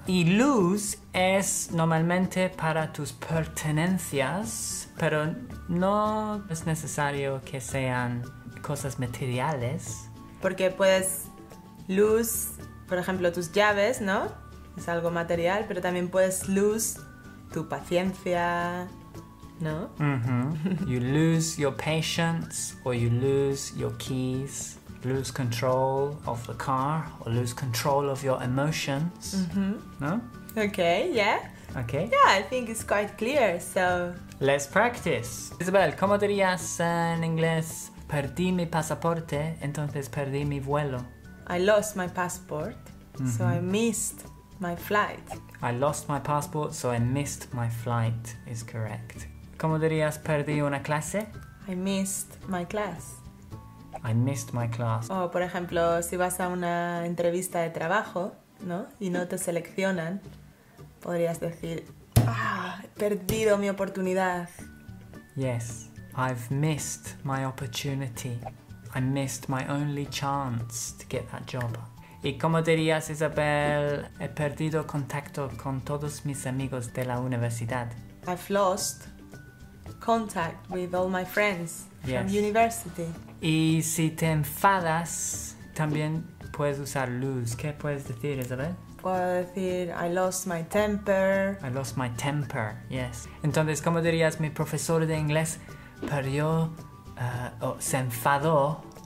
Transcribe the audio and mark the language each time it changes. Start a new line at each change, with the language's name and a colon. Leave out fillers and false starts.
Spanish: Y lose es normalmente para tus pertenencias, pero no es necesario que sean cosas materiales. Porque puedes lose, por ejemplo, tus llaves, ¿no? Es algo material, pero también puedes lose tu paciencia, ¿no? Mm-hmm.
English: You lose your patience, or you lose your keys. Lose control of the car, or lose control of your emotions. Mm-hmm. No? Okay, yeah. Okay. Yeah, I think it's quite clear, so let's practice.
Spanish: Isabel, ¿cómo dirías en inglés? Perdí mi pasaporte, entonces perdí mi vuelo.
English: I lost my passport, mm-hmm. So I missed my flight. I lost my passport, so I missed my flight is correct.
Spanish: ¿Cómo dirías perdí una clase?
English: I missed my class. I missed my class.
Spanish: O, por ejemplo, si vas a una entrevista de trabajo, ¿no? Y no te seleccionan, podrías decir, ¡ah! He perdido mi oportunidad.
English: Yes, I've missed my opportunity. I missed my only chance to get that job.
Spanish: ¿Y cómo dirías, Isabel, he perdido contacto con todos mis amigos de la universidad?
English: I've lost contact with all my friends from university.
Spanish: Y si te enfadas, también puedes usar lose. ¿Qué puedes decir, Isabel? Puedo decir,
English: I lost my temper. I lost my temper, yes.
Spanish: Entonces, ¿cómo dirías, mi profesor de inglés perdió, se enfadó?